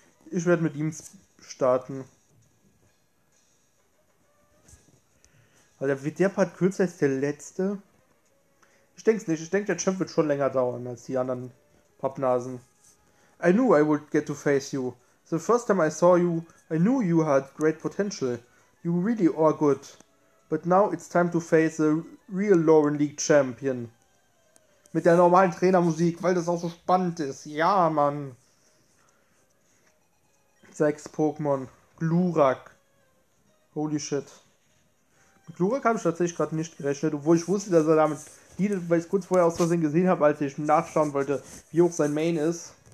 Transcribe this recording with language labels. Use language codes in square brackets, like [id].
[de] Ich werde mit ihm starten. Weil der wird der Part kürzer als der letzte. Ich denke es nicht. Ich denke, der Champ wird schon länger dauern als die anderen Pappnasen. [en] I knew I would get to face you. The first time I saw you, I knew you had great potential. You really are good. But now it's time to face a real Lauren League Champion. [de] Mit der normalen Trainermusik, weil das auch so spannend ist. Ja, Mann. 6 Pokémon. Glurak. [en] Holy shit. [de] Mit Glurak habe ich tatsächlich gerade nicht gerechnet, obwohl ich wusste, dass er damit leadet, weil ich es kurz vorher aus Versehen gesehen habe, als ich nachschauen wollte, wie hoch sein Main ist.